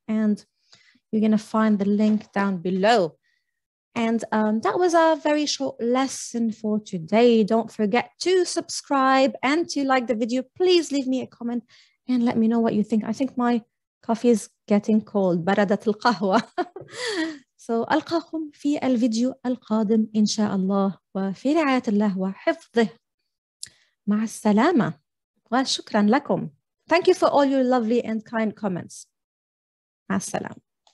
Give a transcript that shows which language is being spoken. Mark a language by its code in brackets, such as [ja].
[en] And you're going to find the link down below. And that was our very short lesson for today. Don't forget to subscribe and to like the video. Please leave me a comment and let me know what you think. I think my coffee is getting cold. [ar] بردت القهوة. So, ألقاكم في الفيديو القادم إن شاء الله وفي رعاية الله وحفظه. مع السلامة وشكرا لكم. [en] Thank you for all your lovely and kind comments. [ar] مع السلامة.